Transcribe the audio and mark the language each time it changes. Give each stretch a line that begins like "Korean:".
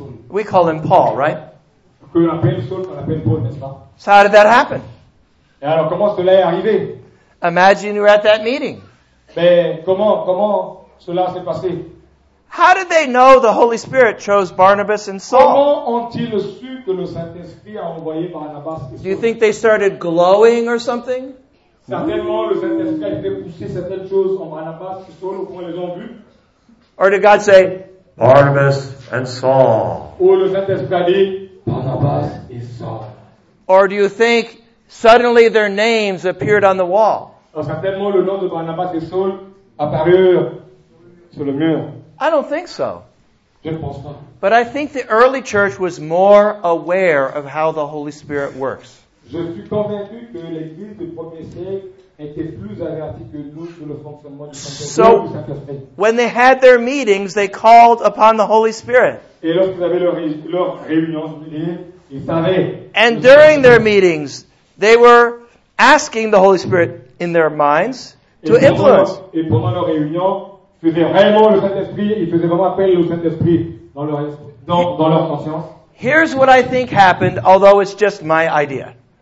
English: We call him Paul, right? So how did that happen? Imagine you were at that meeting. How did they know the Holy Spirit chose Barnabas and Saul?
French: Comment ont-ils su que le Saint-Esprit a envoyé Barnabas et Saul?
English: Do you think they started glowing or something?
French: Certainement, le Saint-Esprit a fait pousser certaines choses en Barnabas et Saul au point les ont vus.
English: Or did God say, Barnabas and Saul?
French: Ou le Saint-Esprit a dit, Barnabas et Saul?
English: Or do you think suddenly their names appeared on the wall?
French: Certainement, le nom de Barnabas et Saul apparurent sur le mur.
English: I don't think so.
French: Je ne pense pas.
English: But I think the early church was more aware of how the Holy Spirit works.
French: Je suis convaincu que l'église du premier siècle était plus avertie que nous sur le fonctionnement du Saint-Esprit.
English: So, when they had their meetings, they called upon the Holy Spirit.
French: Et lorsqu'ils avaient leur réunion, ils savaient.
English: And during their meetings, they were asking the Holy Spirit in their minds to influence.
French: Et pendant leur réunion, ils faisaient vraiment le Saint-Esprit, ils faisaient vraiment appel au Saint-Esprit dans leur conscience.
English: Here's what I think happened, although it's just my idea.